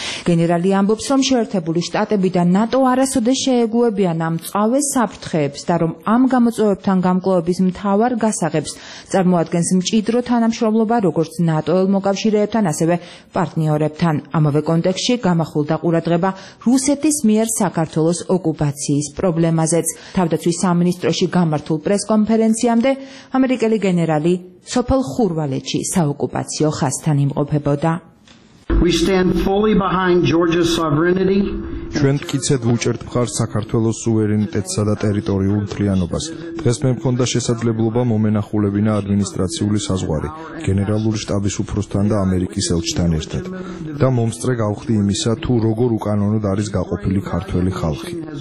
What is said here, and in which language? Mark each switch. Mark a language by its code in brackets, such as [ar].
[ka] გენერალი ამბობს, რომ შეერთებული შტატები და ნატო არასოდეს შეეგუებიან მწავე საფრთხეებს და რომ ამ გამოწვევებთან გამკლავების მთავარ გასაღებს წარმოადგენს მჭიდრო თანამშრომლობა როგორც ნატოელ მოკავშირეებთან, ასევე პარტნიორებთან. ამავე კონტექსში გამახვილდა ყურადღება რუსეთის მიერ საქართველოს ოკუპაციის პრობლემაზეც. თავდაცვის სამინისტროში გამართულ პრესკონფერენციამდე ამერიკელი გენერალი სოფელ ხურვალეთში საოკუპაციო ხასთან იმყოფებოდა. [en] We stand fully behind Georgia's sovereignty. [ka] ჩვენ კიდევ უჭერთ მხარს საქართველოს სუვერენიტეტსა და ტერიტორიულ მთლიანობას. დღეს მე მქონდა შესაძლებლობა მომენახულებინა ადმინისტრაციული საზღვარი გენერალური შტაბის უფროსთან და ამერიკის ელჩთან ერთად და მომსწრე გავხდი იმისა, თუ როგორ უკანონოდ არის გაყოფილი ქართველი ხალხი.